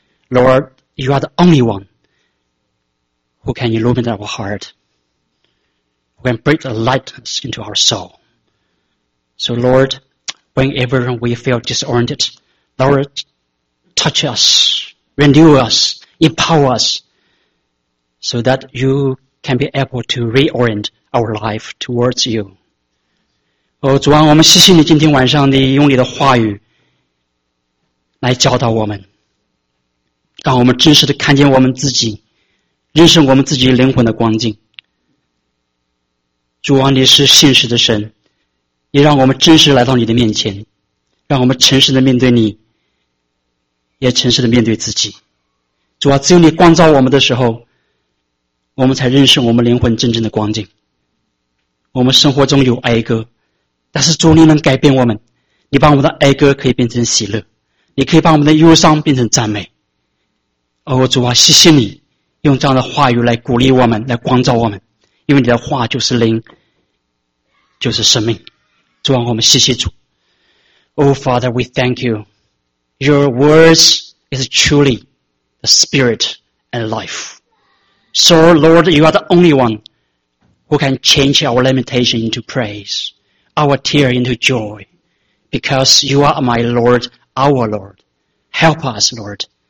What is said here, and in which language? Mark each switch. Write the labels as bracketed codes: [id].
[en] Lord, you are the only one who can illuminate our heart, who can bring the lightness into our soul. So Lord, whenever we feel disoriented, Lord, touch us, renew us, empower us, so that you can be able to reorient our life towards you. [zh] Oh, 主啊，我们谢谢你今天晚上你用你的话语来教导我们，让我们真实的看见我们自己，认识我们自己灵魂的光景。主啊，你是现实的神。也让我们真实来到你的面前，让我们诚实的面对你，也诚实的面对自己。主啊，只有你光照我们的时候，我们才认识我们灵魂真正的光景。我们生活中有哀歌，但是主你能改变我们，你把我们的哀歌可以变成喜乐，你可以把我们的忧伤变成赞美。哦，主啊，谢谢你用这样的话语来鼓励我们，来光照我们，因为你的话就是灵，就是生命。主啊，我们谢谢主。 [en] Oh Father, we thank you. Your words is truly the spirit and life. So Lord, you are the only one who can change our lamentation into praise, our tear into joy, because you are my Lord, our Lord. Help us, Lord.